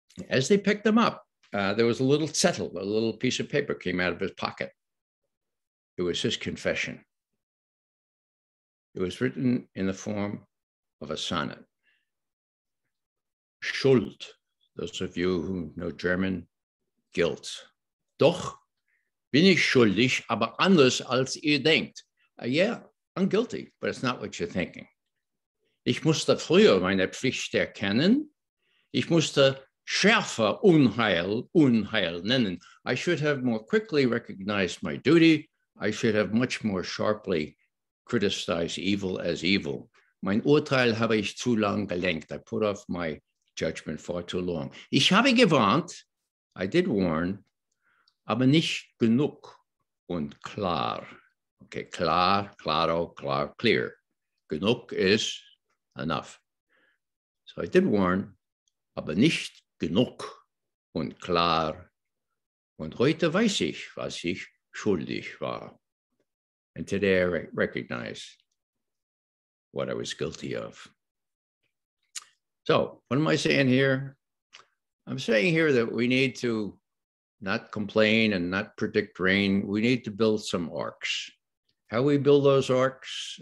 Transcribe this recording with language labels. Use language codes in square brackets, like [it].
[en] As they picked them up, there was a little zettel, a little piece of paper came out of his pocket. It was his confession. It was written in the form of a sonnet. Schuld, those of you who know German, guilt. [de] Doch bin ich schuldig, aber anders als ihr denkt. [en] Yeah, I'm guilty, but it's not what you're thinking. [de] Ich musste früher meine Pflicht erkennen. Ich musste schärfer Unheil nennen. [en] I should have more quickly recognized my duty. I should have much more sharply criticized evil as evil. [de] Mein Urteil habe ich zu lang gelenkt. [en] I put off my judgment far too long. [de] Ich habe gewarnt. [en] I did warn. [de] Aber nicht genug und klar. [en] Okay, klar, claro, klar, clear. Genug is enough. So I did warn, [de] aber nicht genug und klar. Und heute weiß ich, was ich schuldig war. [en] And today I recognize what I was guilty of. So what am I saying here? I'm saying here that we need to not complain and not predict rain. We need to build some arcs. How we build those arcs?